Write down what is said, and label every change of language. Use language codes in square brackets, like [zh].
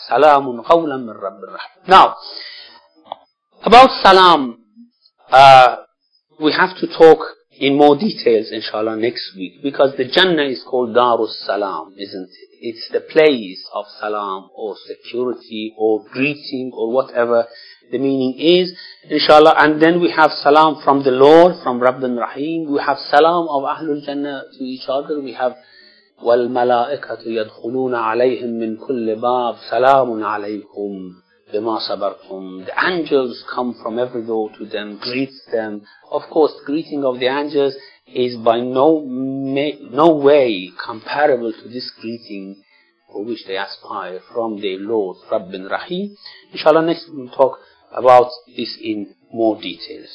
[ar] Salamun qawlan min Rabbir Rahim. [en] Now, about salam, we have to talk in more details, inshallah, next week, because the Jannah is called Darus Salam, isn't it? It's the place of salam, or security, or greeting, or whatever the meaning is, inshallah. And then we have salam from the Lord, from Rabbin Rahim. We have salam of Ahlul Jannah to each other. We have [ar] وَالْمَلَائِكَةُ يَدْخُلُونَ عَلَيْهِمْ مِنْ كُلِّ بَابٍ سَلَامٌ عَلَيْكُمْ بِمَا صَبَرْتُمْ. [en] The angels come from every door to them, greets them. Of course, greeting of the angels is by no way comparable to this greeting for which they aspire from their Lord, Rabbin Rahim. Inshallah, next we'll talk about this in more details.